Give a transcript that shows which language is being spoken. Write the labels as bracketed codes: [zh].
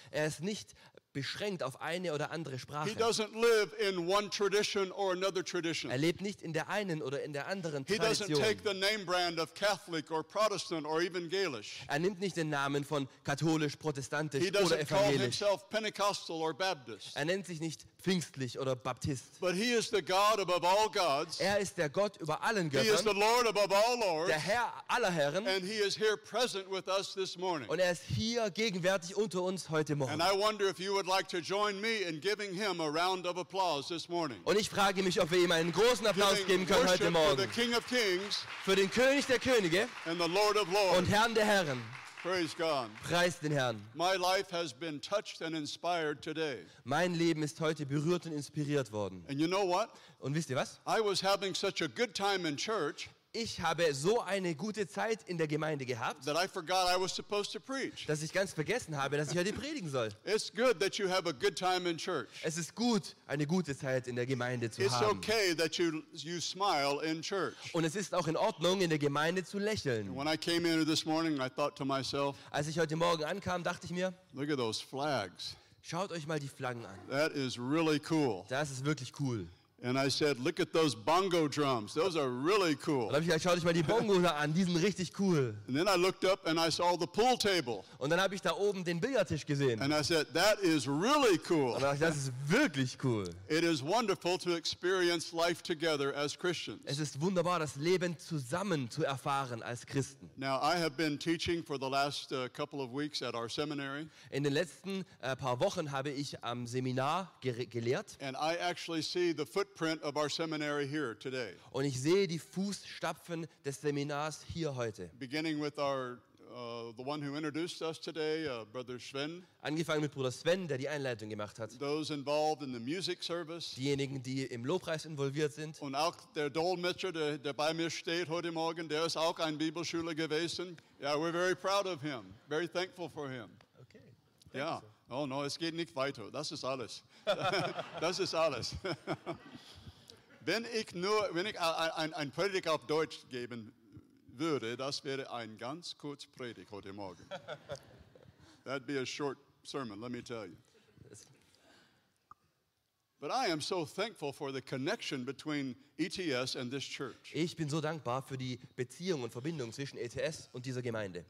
[de] Er ist nicht beschränkt auf eine oder andere Sprache. [en] He doesn't live in one tradition or another tradition. [de] Er lebt nicht in der einen oder in der anderen Tradition. [en] He doesn't take the name brand of Catholic or Protestant or even Gaelic. [de] Er nimmt nicht den Namen von katholisch, protestantisch oder [en] He doesn't call himself Pentecostal or Baptist. [de] Er nennt sich nicht pfingstlich oder Baptist. [en] But he is the God above all gods. [de] Er ist der Gott über allen Göttern. [en] He is the Lord above all lords. [de] Der Herr aller Herren. [en] And he is here present with us this morning. [de] Und er ist hier gegenwärtig unter uns heute Morgen. [en] And I wonder if you would like to join me in giving him a round of applause this morning. [de] Und ich frage mich, ob wir ihm einen großen Applaus geben können heute Morgen. [en] For the King of Kings, [de] für den König der Könige, [en] and the Lord of Lords, [de] und Herrn der Herren. [en] Praise God. [de] Preist den Herrn. [en] My life has been touched and inspired today. [de] Mein Leben ist heute berührt und inspiriert worden. [en] And you know what? [de] Und wisst ihr was? [en] I was having such a good time in church. [de] Ich habe so eine gute Zeit in der Gemeinde gehabt, [en] that I forgot I was supposed to preach. [de] Dass ich ganz vergessen habe, dass ich heute predigen soll. [en] It's good that you have a good time in church. [de] Es ist gut, eine gute Zeit in der Gemeinde zu [en] it's [de] haben. [en] Okay that you smile in church. [de] Und es ist auch in Ordnung, in der Gemeinde zu lächeln. [en] When I came in this morning, I thought to myself, [de] als ich heute Morgen ankam, dachte ich mir, [en] look at those flags. [de] Schaut euch mal die Flaggen an. [en] That is really cool. [de] Das ist wirklich cool. [en] And I said, look at those bongo drums. Those are really cool. [de] Und dann schaute ich mal die Bongos an, die sind richtig cool. [en] And then I looked up and I saw the pool table. [de] Und dann habe ich da oben den Billardtisch gesehen. [en] And I said, that is really cool. [de] Und dann dachte ich, das ist wirklich cool. [en] It is wonderful to experience life together as Christians. [de] Es ist wunderbar, das Leben zusammen zu erfahren als Christen. [en] Now I have been teaching for the last couple of weeks at our seminary. [de] In den letzten paar Wochen habe ich am Seminar gelehrt. [en] And I actually see the footprint of our seminary here today. [de] Und ich sehe die Fußstapfen des Seminars hier heute. [en] Beginning with our the one who introduced us today, Brother Sven. [de] Angefangen mit Bruder Sven, der die Einleitung gemacht hat. [en] Those involved in the music service. [de] Diejenigen, die im Lobpreis involviert sind. Und auch der Dolmetscher, der bei mir steht heute Morgen, der ist auch ein Bibelschüler gewesen. [en] Yeah, we're very proud of him. Very thankful for him. Okay. Thank yeah. [de] You, oh no, es geht nicht weiter. Das ist alles. Das ist alles. wenn ich ein Predigt auf Deutsch geben würde, das wäre ein ganz kurz Predigt heute Morgen. [en] That'd be a short sermon, let me tell you. But I am so thankful for the connection between ETS and this church. [de] Ich bin so dankbar für die Beziehung und Verbindung zwischen ETS und dieser Gemeinde.